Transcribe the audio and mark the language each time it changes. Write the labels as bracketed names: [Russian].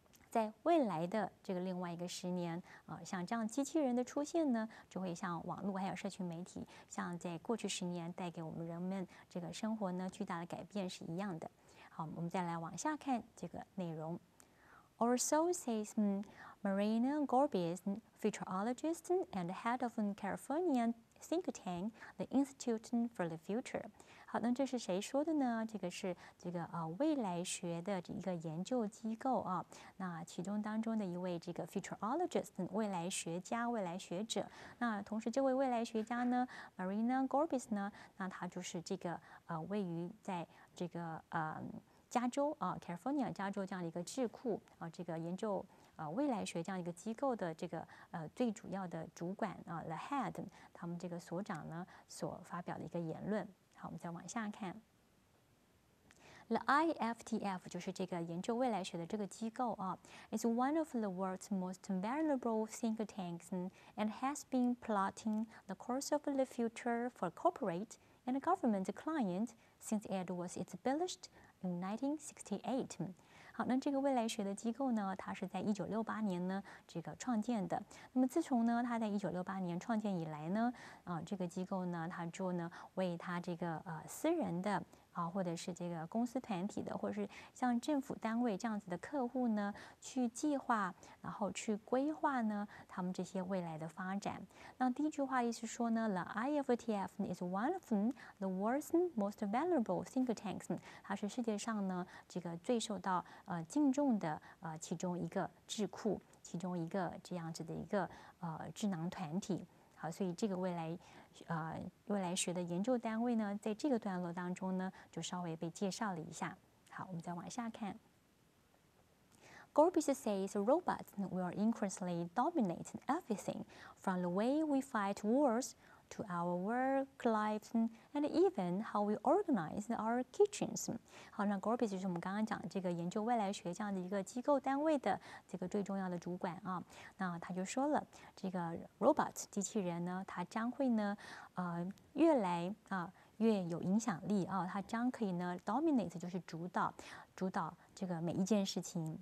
[Chinese] 在未来的这个另外一个十年，像这样机器人的出现呢，就会像网络还有社群媒体，像在过去十年带给我们人们这个生活呢巨大的改变是一样的。好，我们再来往下看这个内容。 [English] Or so says Marina Gorbis, futurologist and head of a Californian think tank, the Institute for the Future. [Chinese] 好，那这是谁说的呢？这个是这个未来学的一个研究机构啊。那其中当中的一位这个 futurologist, 未来学家、未来学者。那同时这位未来学家呢 ，Marina Gorbis 呢，那他就是这个位于在这个加州啊 ，California 加州这样的一个智库啊，这个研究未来学这样一个机构的这个最主要的主管啊 ，the head， 他们这个所长呢所发表的一个言论。好，我们再往下看。 [English] The IFTF [Chinese] 就是这个研究未来学的这个机构啊 [English] ，is one of the world's most valuable think tanks and has been plotting the course of the future for corporate and government clients since it was established. In 1968, [Chinese] 好，那这个未来学的机构呢，它是在1968年呢这个创建的。那么自从呢它在1968年创建以来呢，这个机构呢，它就呢为它这个私人的或者是这个公司团体的，或者是像政府单位这样子的客户呢，去计划，然后去规划呢他们这些未来的发展。那第一句话意思说呢 ， [English] The IFTF is one of the world's most valuable think tanks， [Chinese] 它是世界上呢这个最受到敬重的其中一个智库，其中一个这样子的一个智囊团体。好，所以这个未来学的研究单位呢，在这个段落当中呢，就稍微被介绍了一下。好，我们再往下看。 [English] Gorbis says robots will increasingly dominate everything, from the way we fight wars to our work lives, and even how we organize our kitchens. [Chinese] 好，那 Gorbis 就是我们刚刚讲这个研究未来学这样的一个机构单位的这个最重要的主管啊。那他就说了，这个 robot 机器人呢，它将会呢，越来越有影响力啊，它将可以呢 dominate 就是主导这个每一件事情。